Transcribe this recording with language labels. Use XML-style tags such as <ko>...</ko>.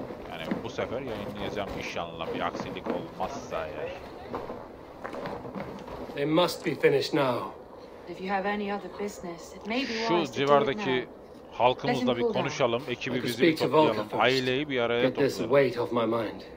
<tr>Yani bu sefer yayınlayacağım inşallah, bir aksilik olmazsa eğer.</tr> <en>They must be finished now. If you have any other business, it may be wise.</en> <tr>Şu civardaki halkımızla bir konuşalım, ekibi bizi bir toplayalım, aileyi bir araya toplayalım.</tr>